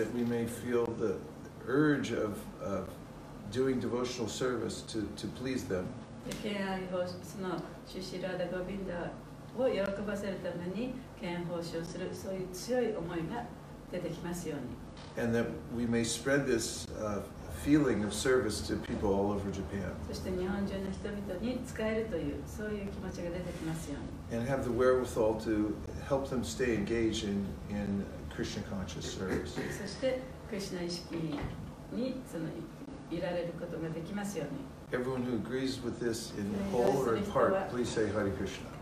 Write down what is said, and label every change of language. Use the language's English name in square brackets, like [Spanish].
[English] That we may feel the urge of doing devotional service to please them. [Japanese] 敬愛奉仕、その Shri Shri Radha Govinda を喜ばせるために敬愛奉仕をする、そういう強い思いが出てきますように。 [English] And that we may spread this feeling of service to people all over Japan. [Japanese] そして日本中の人々に使えるという、そういう気持ちが出てきますように。 [English] And have the wherewithal to help them stay engaged in Krishna conscious service. [Japanese] そして、クリシナ意識にそのいられることができますように。 [English] Everyone who agrees with this in whole or in part, please say Hare Krishna.